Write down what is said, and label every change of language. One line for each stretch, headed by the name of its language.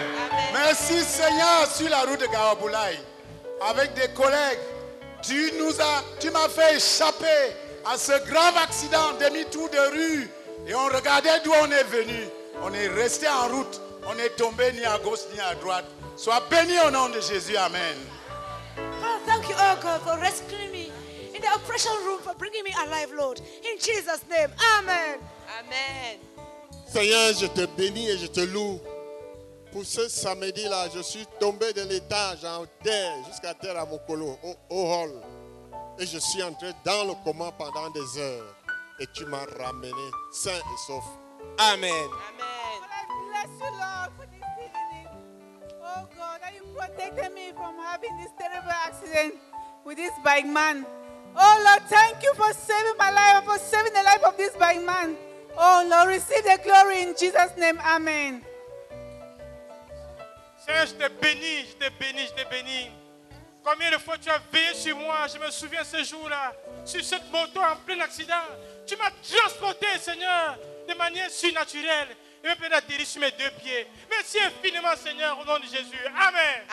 French: Amen. Merci Seigneur sur la route de Gawabulaï. Avec des collègues, tu m'as fait échapper à ce grave accident, demi-tour de rue. Et on regardait d'où on est venu. On est resté en route. On est tombé ni à gauche ni à droite. Sois béni au nom de Jésus. Amen.
English: Oh, thank you, oh God, for rescuing me in the operation room, for bringing me alive, Lord. In Jesus' name, amen. Amen.
French: Seigneur, je te bénis et je te loue. Pour ce samedi-là, je suis tombé de l'étage en terre, jusqu'à terre à mon colo, au hall. Et je suis entré dans le coma pendant des heures. et tu m'as ramené sain et sauf. Amen.
English: Amen. Bless you, Lord, for this evening. Oh God, that you protected me from having this terrible accident with this bike man. Oh Lord, thank you for saving my life and for saving the life of this bike man. Oh Lord, receive the glory in Jesus' name. Amen.
French: Seigneur, je te bénis, je te bénis, je te bénis. Combien de fois tu as veillé sur moi, je me souviens ce jour-là, sur cette moto en plein accident. Tu m'as transporté, Seigneur, de manière surnaturelle. Et maintenant, atterri sur mes deux pieds. Merci infiniment, Seigneur, au nom de Jésus. Amen.